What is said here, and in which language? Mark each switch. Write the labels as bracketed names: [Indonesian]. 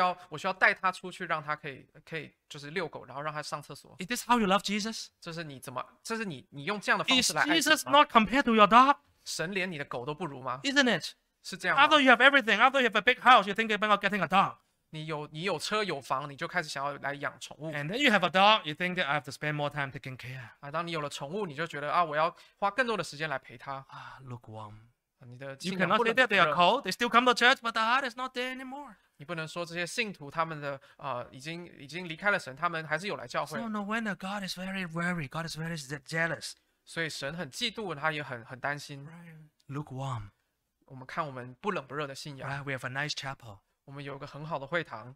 [Chinese] 我需要带他出去，让他可以就是遛狗，然后让他上厕所。 [English] Is this how you love Jesus？ [Chinese] 这是你怎么？这是你用这样的方式来爱神吗？ [English] Is Jesus not compared to your dog？ [Chinese] 神连你的狗都不如吗 [English] ？Isn't it？ [Chinese] 是这样。 [English] Although you have everything, although you have a big house, you think about getting a dog。 [Chinese] 你有车有房，你就开始想要来养宠物。 [English] And then you have a dog, you think that I have to spend more time taking care。 [Chinese] 啊，当你有了宠物，你就觉得啊，我要花更多的时间来陪他。 [English] Lukewarm。 [Chinese] 你的信仰不冷不热。 [English] They are cold. They still come to church, but the heart is not there anymore。 [Chinese] 你不能说这些信徒他们的已经离开了神，他们还是有来教会。 [English] So no wonder God is very worried. God is very jealous。 [Chinese] 所以神很嫉妒，他也很担心。 [English] Lukewarm。 [Chinese] 我们看我们不冷不热的信仰。 [English] Right, we have a nice chapel。 [Chinese] 我们有个很好的会堂。